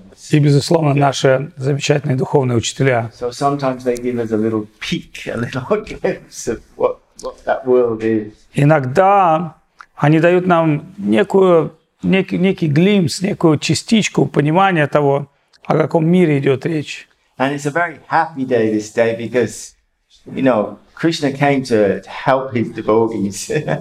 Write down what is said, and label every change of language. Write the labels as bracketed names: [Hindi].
[Russian] И, безусловно, наши замечательные духовные учителя. [English] So sometimes they give us a little peek, a little glimpse of what that world is. [Russian] Иногда они дают нам некий глимпс, некую частичку понимания того, о каком мире идет речь. [English] And it's a very happy day this day because, you know, Krishna came to help his devotees.